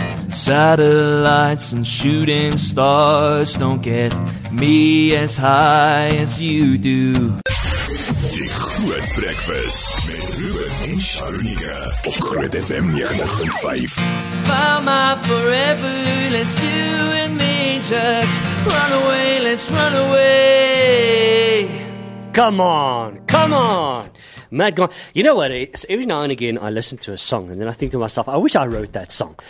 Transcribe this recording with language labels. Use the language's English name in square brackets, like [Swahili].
[English] Satellites and shooting stars don't get me as high as you do. [Afrikaans] Die Crew at Breakfast met Ruben en Sharunia op Groot FM 95.5. [English] Found my forever, let's you and me just run away, let's run away. Come on, come on. Matt Gardner, you know what? Every now and again, I listen to a song, and then I think to myself, I wish I wrote that song.